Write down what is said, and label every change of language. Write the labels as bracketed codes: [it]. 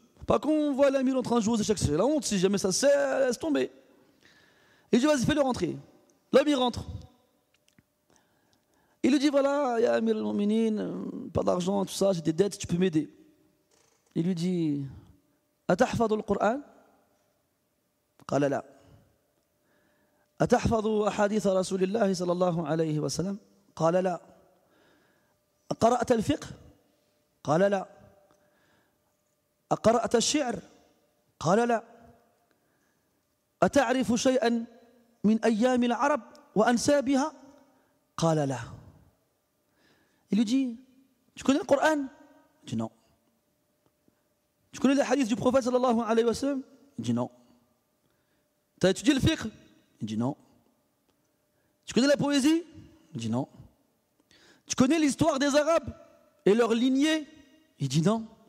[fr] Pas qu'on voit l'Amir en train de jouer aux échecs, c'est la honte, si jamais ça sert, laisse tomber. Il dit vas-y, fais-le rentrer. L'Amir rentre. Il lui dit voilà, il y a Amir al-Mu'minin, pas d'argent, tout ça, j'ai des dettes, tu peux m'aider. Il lui dit Atahfad al-Qur'an. [ar] قال لا أتحفظ أحاديث رسول الله صلى الله عليه وسلم قال لا أقرأت الفقه قال لا أقرأت الشعر قال لا أتعرف شيئا من أيام العرب وأنسابها قال لا Il lui dit, tu connais le Coran ? [fr] Il dit non. Tu connais les hadiths du prophète sallallahu alayhi wa sallam ? Il dit non. Tu as étudié le fiqh ? Il dit non. Tu connais la poésie ? Il dit non. Tu connais l'histoire des Arabes et leur lignée ? Il dit non.